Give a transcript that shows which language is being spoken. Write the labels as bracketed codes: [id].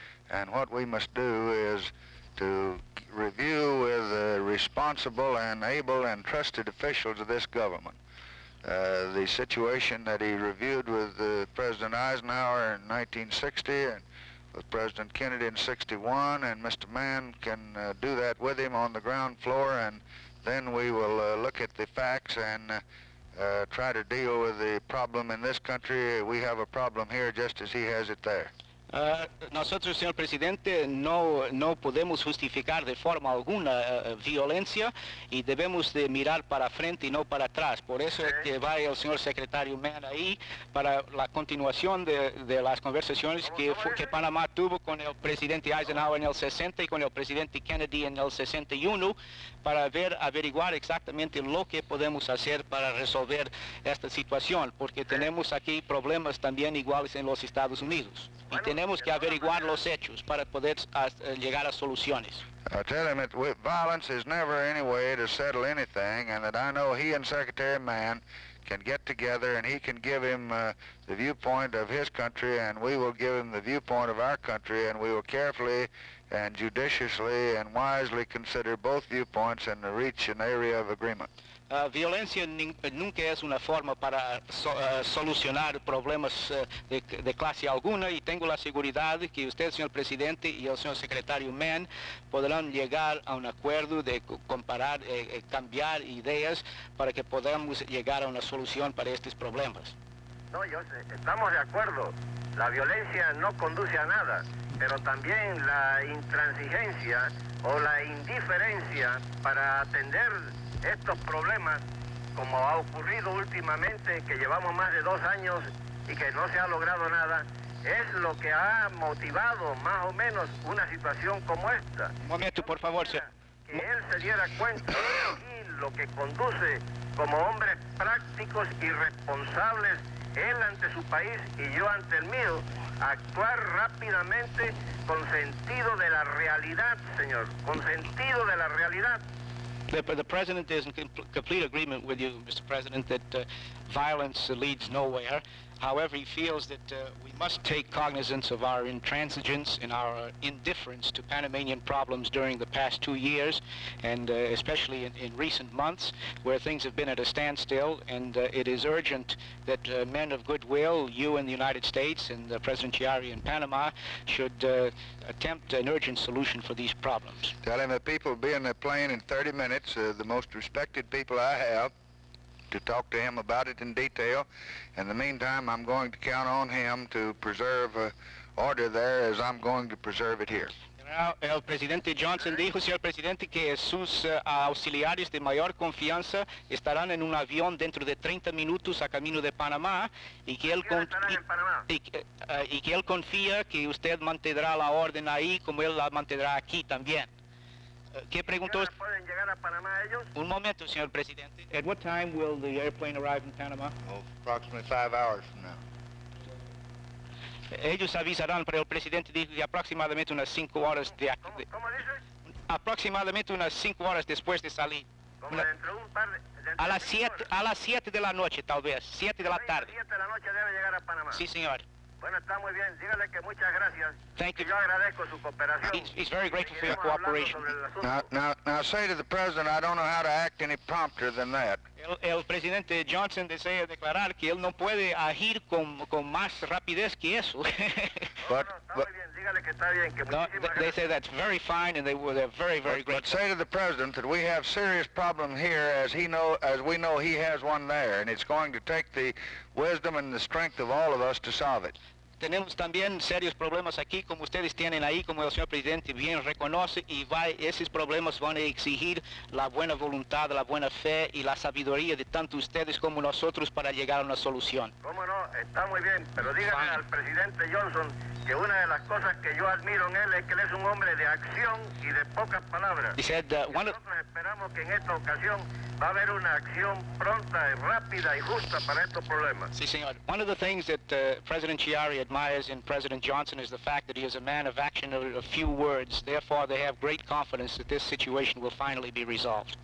[en] And what we must do is to review with the responsible and able and trusted officials of this government the situation that he reviewed with President Eisenhower in 1960 and with President Kennedy in 61, and Mr. Mann can do that with him on the ground floor, and then we will look at the facts and try to deal with the problem in this country. We have a problem here just as he has it there. [es] Nosotros, señor presidente, no podemos justificar de forma alguna violencia y debemos de mirar para frente y no para atrás. Por eso es que va el señor secretario Mann ahí para la continuación de las conversaciones que Panamá tuvo con el presidente Eisenhower en el 60 y con el presidente Kennedy en el 61 para averiguar exactamente lo que podemos hacer para resolver esta situación, porque tenemos aquí problemas también iguales en los Estados Unidos. Y tenemos que averiguar los hechos para poder llegar a soluciones. [en] I tell him that violence is never any way to settle anything, and that I know he and Secretary Mann can get together, and he can give him the viewpoint of his country, and we will give him the viewpoint of our country, and we will carefully and judiciously and wisely consider both viewpoints and reach an area of agreement. [es] Violencia nunca es una forma para solucionar problemas de clase alguna, y tengo la seguridad que usted, señor presidente, y el señor secretario Mann podrán llegar a un acuerdo de comparar, cambiar ideas para que podamos llegar a una solución para estos problemas. No, yo estamos de acuerdo. La violencia no conduce a nada, pero también la intransigencia o la indiferencia para atender estos problemas, como ha ocurrido últimamente, que llevamos más de 2 años y que no se ha logrado nada, es lo que ha motivado más o menos una situación como esta. Un momento, por favor, señor. Que él se diera cuenta de lo que conduce como hombres prácticos y responsables, él ante su país y yo ante el mío, actuar rápidamente con sentido de la realidad, señor, con sentido de la realidad. [en] The president is in complete agreement with you, Mr. President, that violence leads nowhere. However, he feels that we must take cognizance of our intransigence and our indifference to Panamanian problems during the past 2 years, and especially in recent months, where things have been at a standstill, and it is urgent that men of goodwill, you in the United States and President Chiari in Panama, should attempt an urgent solution for these problems. Tell him that people will be in the plane in 30 minutes, the most respected people I have, to talk to him about it in detail. In the meantime, I'm going to count on him to preserve order there as I'm going to preserve it here. [es] El presidente Johnson dijo, señor presidente, que sus auxiliares de mayor confianza estarán en un avión dentro de 30 minutos a camino de Panamá, y que él confía que usted mantendrá la orden ahí como él la mantendrá aquí también. ¿Qué preguntó? ¿Pueden llegar a Panamá ellos? Un momento, señor presidente. [en] At what time will the airplane arrive in Panama? Approximately 5 hours from now. [es] Ellos avisarán, pero el presidente dijo que aproximadamente unas 5 horas de aquí. ¿Cómo dices? Aproximadamente unas 5 horas después de salir. ¿Cómo dentro de un par de... A las 7, a las 7 de la noche, tal vez. 7 de la tarde. 7 de la noche debe llegar a Panamá. Sí, señor. Bueno, está muy bien. Dígale que muchas gracias. [en] Thank you. [es] Yo agradezco su cooperación. [en] He's very grateful for your cooperation. Now say to the president, I don't know how to act any prompter than that. [es] El presidente Johnson desea declarar que él no puede agir con más rapidez que eso. [en] But they say that's very fine, and they're very, very grateful. But say to the president that we have serious problem here, as we know he has one there, and it's going to take the wisdom and the strength of all of us to solve it. [es] Tenemos también serios problemas aquí, como ustedes tienen ahí, como el señor presidente bien reconoce, y esos problemas van a exigir la buena voluntad, la buena fe y la sabiduría de tanto ustedes como nosotros para llegar a una solución. Cómo no, está muy bien, pero díganle al presidente Johnson que una de las cosas que yo admiro en él es que él es un hombre de acción y de pocas palabras. [en] He said, [es] nosotros esperamos que en esta ocasión va a haber una acción pronta, rápida y justa para estos problemas. Sí, señor. [en] One of the things that President Chiari admires in President Johnson is the fact that he is a man of action of a few words. Therefore, they have great confidence that this situation will finally be resolved.